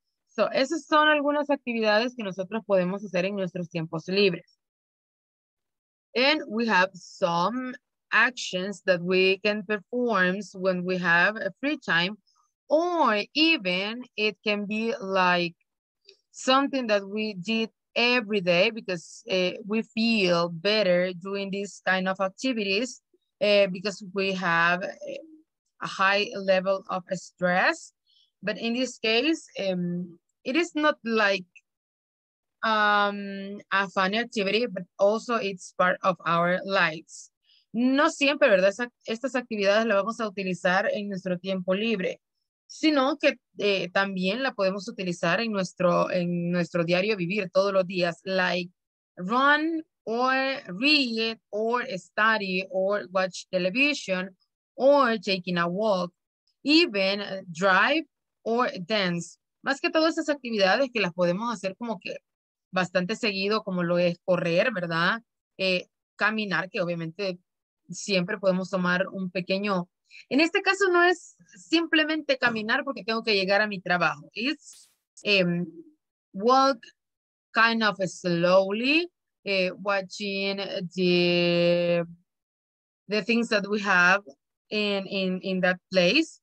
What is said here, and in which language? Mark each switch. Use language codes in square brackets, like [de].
[es] So, esas son algunas actividades que nosotros podemos hacer en nuestros tiempos libres. [en] And we have some actions that we can perform when we have a free time, or even it can be like something that we did every day because we feel better doing these kind of activities because we have a high level of stress. But in this case, it is not like a funny activity, but also it's part of our lives. [es] No siempre, ¿verdad? Estas actividades las vamos a utilizar en nuestro tiempo libre, sino que también la podemos utilizar en nuestro diario vivir todos los días, [en] like run or read or study or watch television or taking a walk, even drive or dance. [es] Más que todas esas actividades que las podemos hacer como que bastante seguido, como lo es correr, ¿verdad? Caminar, que obviamente siempre podemos tomar un pequeño... En este caso no es simplemente caminar porque tengo que llegar a mi trabajo. [en] It's walk kind of slowly, watching the things that we have in that place.